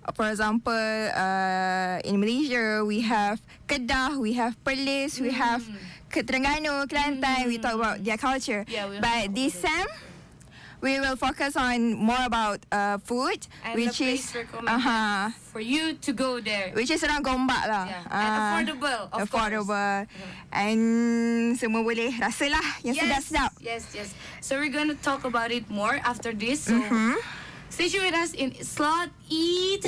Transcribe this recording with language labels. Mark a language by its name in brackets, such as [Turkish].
[English] For example, in Malaysia, we have Kedah, we have Perlis, we have Terengganu, Kelantan. We talk about their culture. Yeah, but this sem, we will focus on more about food, and which the place is for you to go there, which is around Gombak lah. And affordable, of course. [Malay] And semua boleh rasa lah yang sedap-sedap. [English] Yes. So we're gonna talk about it more after this. So stay tuned with us in Slot Eat.